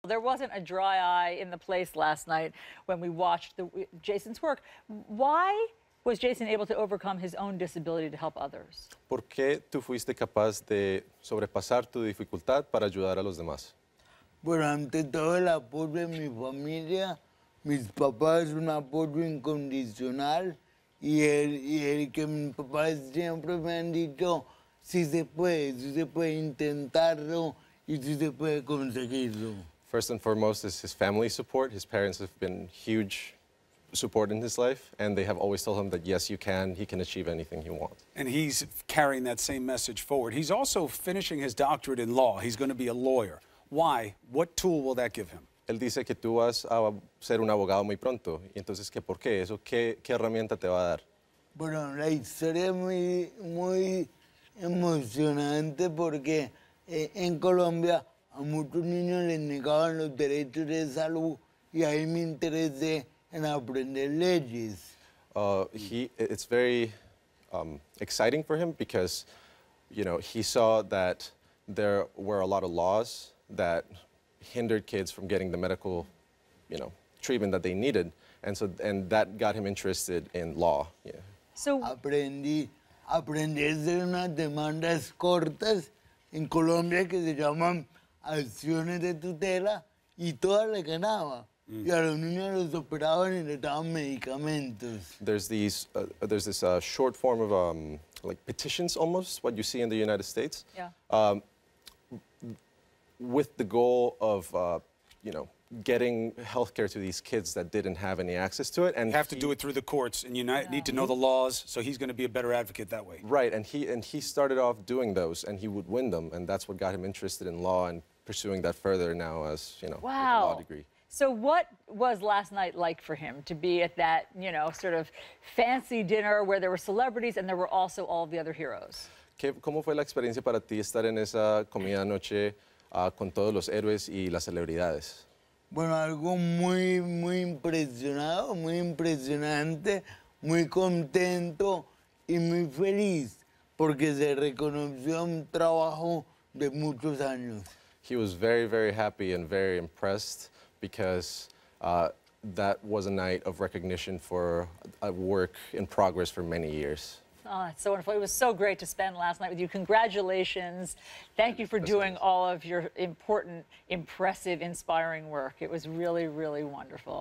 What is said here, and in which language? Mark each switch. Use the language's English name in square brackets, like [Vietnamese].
[English] There wasn't a dry eye in the place last night when we watched Jeison's work. Why was Jeison able to overcome his own disability to help others? [Spanish] ¿Por qué tú fuiste capaz de sobrepasar tu dificultad para ayudar a los demás? Por ante todo el apoyo de mi familia, mis papás, un apoyo incondicional, y el que mis papás siempre me han dicho, si se puede intentarlo, y si se puede conseguirlo. [English] First and foremost is his family support. His parents have been huge support in his life, and they have always told him that, yes, you can, he can achieve anything he wants. And he's carrying that same message forward. He's also finishing his doctorate in law. He's going to be a lawyer. Why? What tool will that give him? [Spanish] Él dice que tú vas a ser un abogado muy pronto. Entonces, ¿qué, por qué? ¿Eso qué, qué herramienta te va a dar? Bueno, la historia es muy, muy emocionante porque en Colombia a muchos niños les negaban los derechos de salud y ahí me interesé en aprender leyes. [English] It's very exciting for him because, you know, he saw that there were a lot of laws that hindered kids from getting the medical, you know, treatment that they needed. And so, and that got him interested in law. Yeah. So [Spanish] aprendí a hacer unas demandas cortas en Colombia que se llaman acciones de tutela y todas le ganaba. Y a los niños los operaban y les daban medicamentos. [English] There's this short form of like petitions almost, what you see in the United States. Yeah. With the goal of, you know, getting health care to these kids that didn't have any access to it. And you have to do it through the courts, and you need to know the laws, so he's going to be a better advocate that way. Right, and he started off doing those, and he would win them, and that's what got him interested in law and pursuing that further now as, you know, wow, with a law degree. So what was last night like for him to be at that, you know, sort of fancy dinner where there were celebrities and there were also all the other heroes? [Spanish] ¿Cómo fue la experiencia para ti estar en esa comida anoche? Con todos los héroes y las celebridades. Bueno, algo muy, muy impresionado, muy impresionante, muy contento y muy feliz porque se reconoció un trabajo de muchos años. [English] He was very, very happy and very impressed because that was a night of recognition for a work in progress for many years. Oh, that's so wonderful. It was so great to spend last night with you. Congratulations. Thank you for doing all of your important, impressive, inspiring work. It was really, really wonderful.